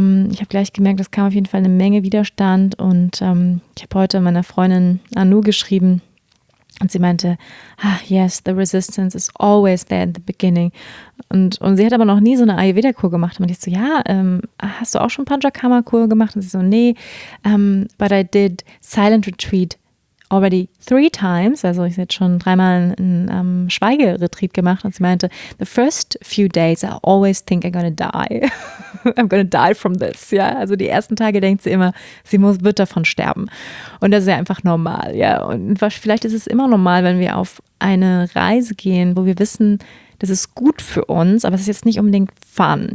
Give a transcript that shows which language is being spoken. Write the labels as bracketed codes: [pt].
[de] Ich habe gleich gemerkt, es kam auf jeden Fall eine Menge Widerstand und ich habe heute meiner Freundin Anu geschrieben und sie meinte, [en] ah, yes, the resistance is always there in the beginning. [de] Und sie hat aber noch nie so eine Ayurveda-Kur gemacht. Und ich so, ja, hast du auch schon Panchakarma-Kur gemacht? Und sie so, nee, [en] but I did silent retreat already 3 times. [de] Also ich habe jetzt schon 3-mal einen Schweigeretreat gemacht. Und sie meinte, [en] the first few days I always think I'm gonna die. I'm gonna die from this. [de] Ja, also die ersten Tage denkt sie immer, sie wird davon sterben. Und das ist ja einfach normal. Ja, und vielleicht ist es immer normal, wenn wir auf eine Reise gehen, wo wir wissen, das ist gut für uns, aber es ist jetzt nicht unbedingt fun.